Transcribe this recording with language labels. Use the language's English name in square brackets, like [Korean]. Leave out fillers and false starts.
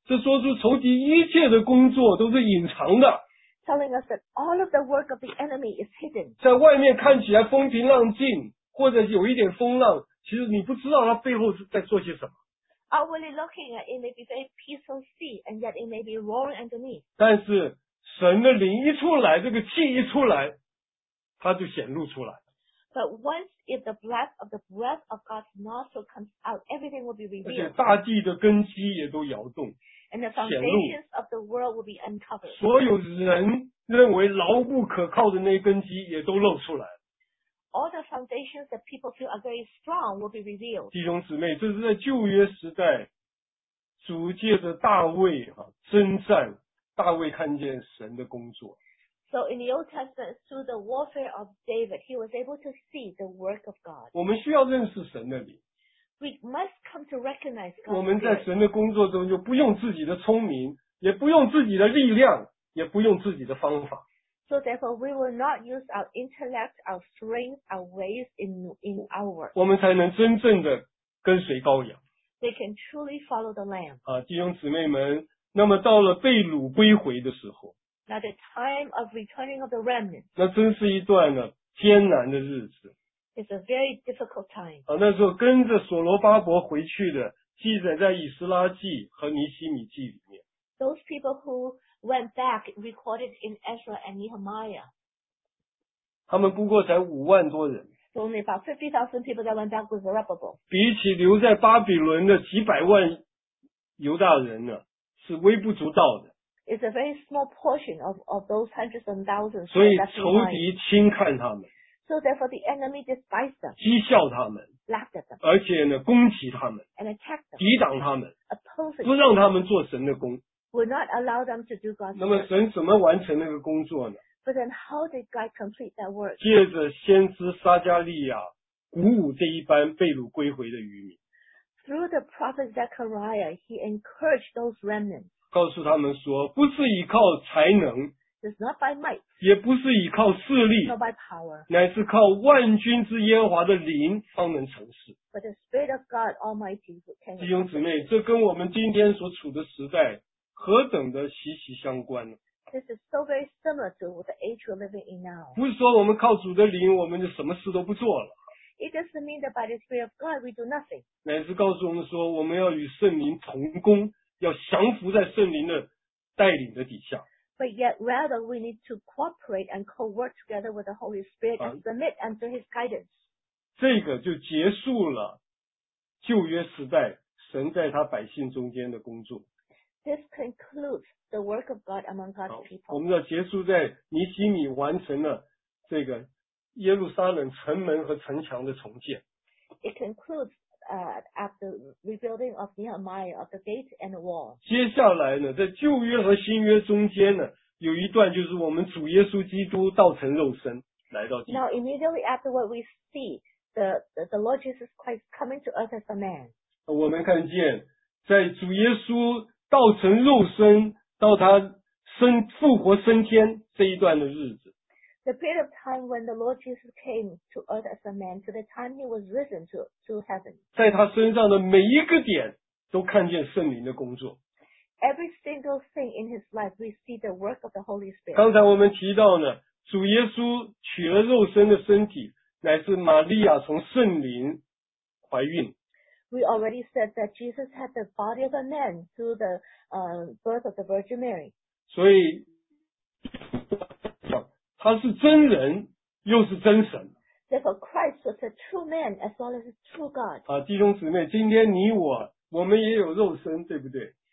[Chinese] 这说出仇敌一切的工作都是隐藏的。 [English] Telling us that all of the work of the enemy is hidden. [Chinese] 在外面看起来风平浪静，或者有一点风浪，其实你不知道他背后是在做些什么。 [English] Outwardly looking at it may be very peaceful sea, and yet it may be roaring underneath. [Chinese] 但是神的灵一出来，这个气一出来，它就显露出来。 [English] But once if the blast of the breath of God's nostril comes out, everything will be revealed. [Chinese] 而且大地的根基也都摇动，显露。 [English] And the foundations of the world will be uncovered. [Chinese] 所有人认为牢固可靠的那根基也都露出来。 [English] All the foundations that people feel are very strong will be revealed. [Chinese] 弟兄姊妹，这是在旧约时代，主借着大卫啊征战，大卫看见神的工作。 [English] So in the Old Testament, through the warfare of David, he was able to see the work of God. [Chinese] 我们需要认识神的灵。 [English] We must come to recognize God. [Chinese] 我们在神的工作中就不用自己的聪明，也不用自己的力量，也不用自己的方法。 [English] So therefore, we will not use our intellect, our strength, our ways in our work. [Chinese] 我们才能真正的跟随羔羊。 [English] We can truly follow the Lamb. [Chinese] 啊，弟兄姊妹们，那么到了被掳归回的时候。 [English] Now the time of returning of the remnant. [Chinese] 那真是一段呢艰难的日子。 [English] It's a very difficult time. [Chinese] 啊，那时候跟着所罗巴伯回去的，记载在以斯拉记和尼希米记里面。 [English] Those people who went back recorded in Ezra and Nehemiah. [Chinese] 他们不过才五万多人。 [English] So only about 50,000 people that went back with Zerubbabel. [Chinese] 比起留在巴比伦的几百万犹大人呢，是微不足道的。 [English] It's a very small portion of those hundreds and thousands. [Chinese] 所以仇敌轻看他们。 [English] So therefore the enemy despised them. [Chinese] 讥笑他们。 [English] Laughed at them. [Chinese] 而且呢攻击他们。 [English] And attacked them. [Chinese] 抵挡他们。 [English] Opposed. [Chinese] 不让他们做神的工。 [English] Would not allow them to do God's work. [Chinese] 那么神怎么完成那个工作呢？ [English] But then how did God complete that work? [Chinese] 借着先知撒加利亚鼓舞这一班被掳归回的渔民。 [English] Through the prophet Zechariah, he encouraged those remnants. [Chinese] 告诉他们说，不是依靠才能， [English] It's not by might. [Chinese] 也不是依靠势力。 [English] Not by power. [Chinese] 乃是靠万军之耶和华的灵方能成事。 [English] But the Spirit of God Almighty who can. [Chinese] 弟兄姊妹，这跟我们今天所处的时代何等的息息相关呢？ [English] This is so very similar to the age we're living in now. [Chinese] 不是说我们靠主的灵，我们就什么事都不做了。 [English] It doesn't mean that by the Spirit of God we do nothing. [Chinese] 乃是告诉我们说，我们要与圣灵同工，要降服在圣灵的带领的底下。 [English] But yet rather we need to cooperate and co-work together with the Holy Spirit and submit under His guidance. [Chinese] 这个就结束了旧约时代神在他百姓中间的工作。 [English] This concludes the work of God among God's people. [Chinese] 我们要结束在尼希米完成了这个耶路撒冷城门和城墙的重建。 [English] It concludes after rebuilding of Nehemiah of the gate and the wall. [Chinese] 接下来呢，在旧约和新约中间呢，有一段就是我们主耶稣基督道成肉身来到地上。 [English] Now immediately after what we see, the Lord Jesus Christ coming to earth as a man. [Chinese] 我们看见在主耶稣道成肉身到他生复活升天这一段的日子。 [English] The period of time when the Lord Jesus came to earth as a man to the time he was risen to heaven. [Chinese] 在他身上的每一个点都看见圣灵的工作。 [English] Every single thing in his life we see the work of the Holy Spirit. [Chinese] 刚才我们提到呢，主耶稣取了肉身的身体乃是玛利亚从圣灵怀孕。 [English] We already said that Jesus had the body of a man through the birth of the Virgin Mary. [Chinese] 所以他是真人又是真神。 [English] Therefore Christ was a true man as well as a true God. [Chinese] 弟兄姊妹，今天你我，我们也有肉身，对不对？